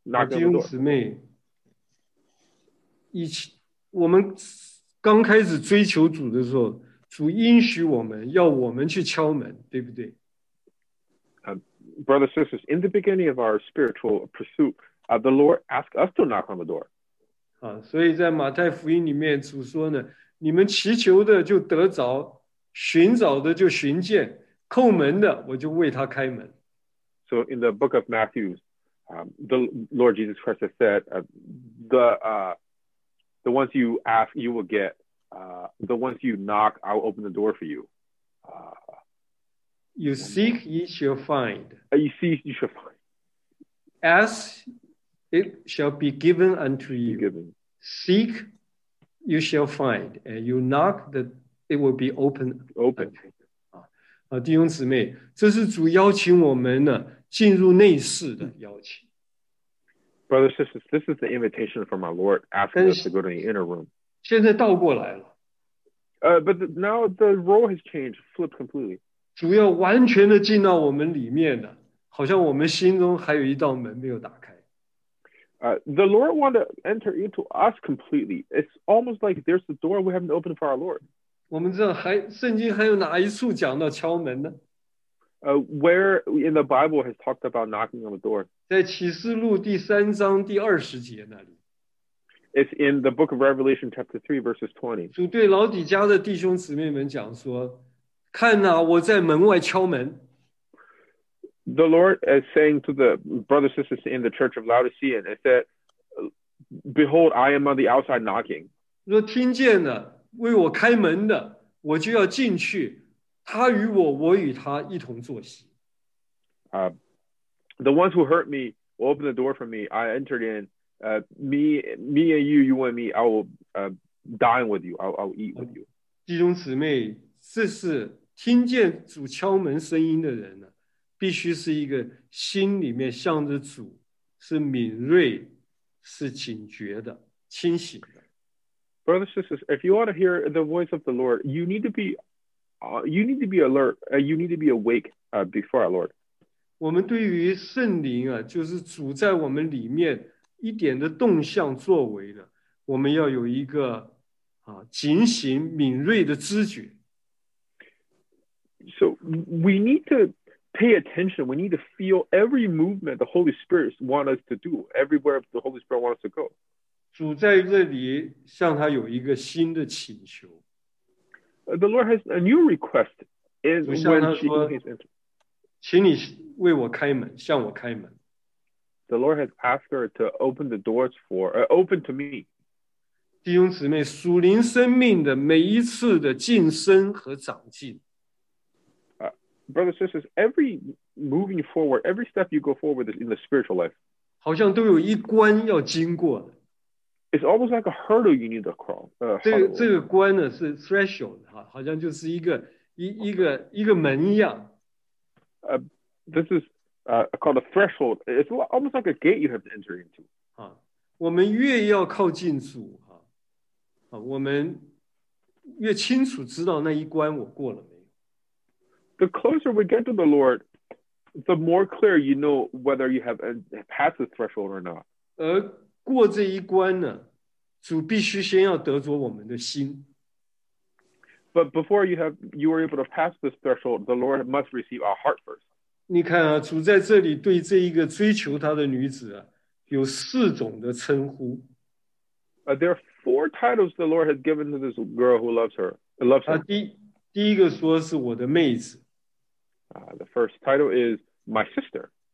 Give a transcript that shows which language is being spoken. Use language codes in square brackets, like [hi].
[zh] 弟兄姊妹，我们刚开始追求主的时候，主应许我们，要我们去敲门，对不对？ [en] Brothers and sisters, in the beginning of our spiritual pursuit, the Lord asked us to knock on the door. [zh] 所以在马太福音里面，主说呢，你们祈求的就得着，寻找的就寻见，叩门的我就为他开门。 [en] So in the book of Matthew,the Lord Jesus Christ has said, the ones you ask, you will get. The ones you knock, I will open the door for you. You seek, ye shall find. You seek, ye shall find. Ask, it shall be given unto you. Given. Seek, you shall find. And you knock, that it will be open. [zh] 弟兄姊妹，这是主邀请我们呢。进入内室的邀请。 [en] Brothers and sisters, this is the invitation from our Lord asking us to go to the inner room. [zh] 现在倒过来了。 [en] But now the role has changed, flipped completely. [zh] 主要完全的进到我们里面的，好像我们心中还有一道门没有打开。 [en] The Lord wants to enter into us completely. It's almost like there's a door we haven't opened for our Lord. [zh] 我们知道圣经还有哪一处讲到敲门呢？ [en] Where in the Bible has talked about knocking on the door? [zh] 在启示录第三章第二十节那里。 [en] It's in the book of Revelation chapter 3 verses 20. [zh] 主对老底家的弟兄姊妹们讲说，看哪，我在门外敲门。 [en] The Lord is saying to the brothers and sisters in the church of Laodicea, and it said, Behold, I am on the outside knocking. [zh] 若听见了，为我开门的，我就要进去。他与我，我与他一同坐席。 [en] The ones who hurt me will open the door for me. I entered in me and you, you and me, I will dine with you. I'll eat with you. [zh] 弟兄姊妹，这是听见主敲门声音的人呢，必须是一个心里面向着主是敏锐、是警觉的、清醒的。 [en] Brothers and sisters, if you want to hear the voice of the Lord, you need to be, you need to be alert, you need to be awake, before our Lord. [zh] 我们对于圣灵啊，就是主在我们里面一点的动向作为的，我们要有一个啊警醒敏锐的知觉。 [en] So we need to pay attention. We need to feel every movement the Holy Spirit wants us to do. Everywhere the Holy Spirit wants us to go. [zh] 主在这里向他有一个新的请求。 [en] The Lord has a new request. [zh] 主向他说，请你为我开门，向我开门。 [en] The Lord has asked her to open the doors for, open to me. [zh] 弟兄姊妹，属灵生命的每一次的晋升和长进。 [en] Brothers and sisters, every moving forward, every step you go forward in the spiritual life, [zh] 好像都有一关要经过。 [en] It's almost like a hurdle you need to cross. [zh] 这个关呢是 threshold 哈，好像就是一个门一样。 [en] This is called a threshold. It's almost like a gate you have to enter into. [zh] 啊，我们越要靠近主哈，啊，我们越清楚知道那一关我过了没。 [en] The closer we get to the Lord, the more clear you know whether you have passed the threshold or not. [zh] 而过这一关呢，主必须先要得着我们的心。 [en] But before you are able to pass this threshold, the Lord must receive our heart first. [zh] 你看啊，主在这里对这一个追求他的女子啊，有四种的称呼。 [en] There are four titles the Lord has given to this girl who loves her. [zh] 第一个说是我的妹子。 [en] The first title is my sister.